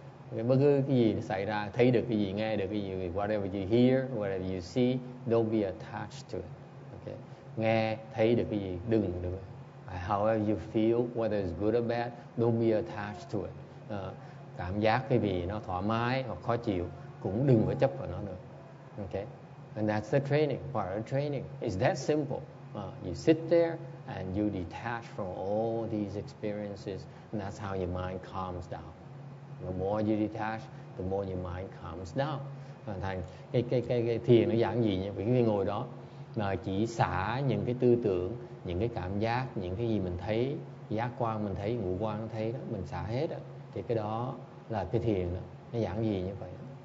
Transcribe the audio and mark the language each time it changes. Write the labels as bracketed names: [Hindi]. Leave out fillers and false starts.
[Vietnamese] Okay, bất cứ cái gì xảy ra, thấy được cái gì, nghe được cái gì, [English] whatever you hear, whatever you see, don't be attached to it. [Vietnamese] Nghe thấy được cái gì đừng được. [English] However you feel, whether it's good or bad, don't be attached to it. [Vietnamese] Cảm giác cái gì nó thoải mái hoặc khó chịu cũng đừng có chấp vào nó được. [English] Okay, and that's the training, part of training. It's that simple. You sit there and you detach from all these experiences, and that's how your mind calms down. The more you detach, the more your mind calms down. [Vietnamese] Thành cái thiền nó giản dị nhỉ, cái ngồi đó mà chỉ xả những cái tư tưởng, những cái cảm giác, những cái gì mình thấy, giác quan mình thấy, ngũ quan nó thấy đó, mình xả hết đó, thì cái đó là cái thiền đó, nó giản dị như vậy đó.